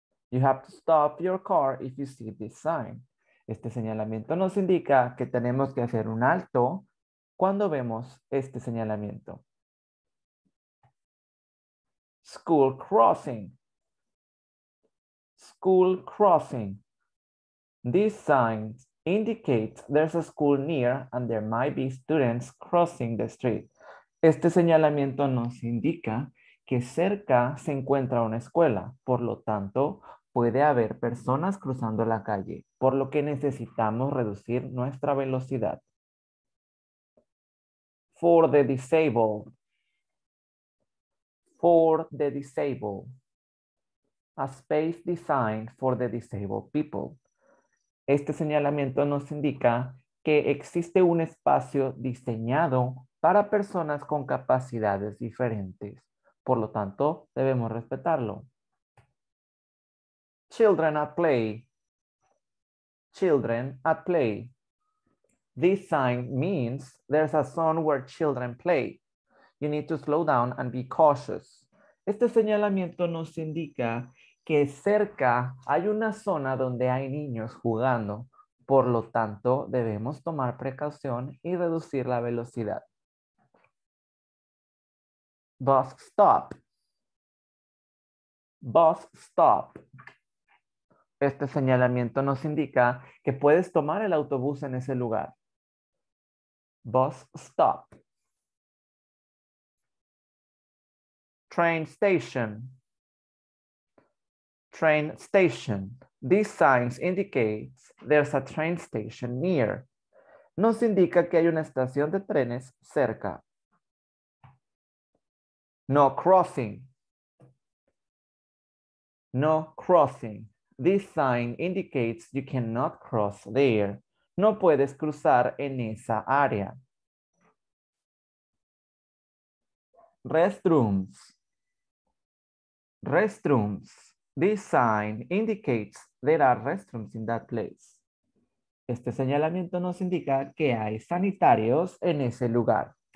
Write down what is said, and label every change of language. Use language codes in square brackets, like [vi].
[en] You have to stop your car if you see this sign. [es] Este señalamiento nos indica que tenemos que hacer un alto cuando vemos este señalamiento. [en] School crossing. School crossing. These signs indicates there's a school near and there might be students crossing the street. [es] Este señalamiento nos indica que cerca se encuentra una escuela, por lo tanto, puede haber personas cruzando la calle, por lo que necesitamos reducir nuestra velocidad. [en] For the disabled. For the disabled. A space designed for the disabled people. [es] Este señalamiento nos indica que existe un espacio diseñado para personas con capacidades diferentes. Por lo tanto, debemos respetarlo. [en] Children at play. Children at play. This sign means there's a zone where children play. You need to slow down and be cautious. [es] Este señalamiento nos indica que cerca hay una zona donde hay niños jugando. Por lo tanto, debemos tomar precaución y reducir la velocidad. [en] Bus stop. [es] Bus stop. Este señalamiento nos indica que puedes tomar el autobús en ese lugar. [en] Bus stop. Train station. Train station. These signs indicate there's a train station near. [es] Nos indica que hay una estación de trenes cerca. [en] No crossing. No crossing. This sign indicates you cannot cross there. [es] No puedes cruzar en esa área. [en] Restrooms. Restrooms. This sign indicates there are restrooms in that place. [es] Este señalamiento nos indica que hay sanitarios en ese lugar.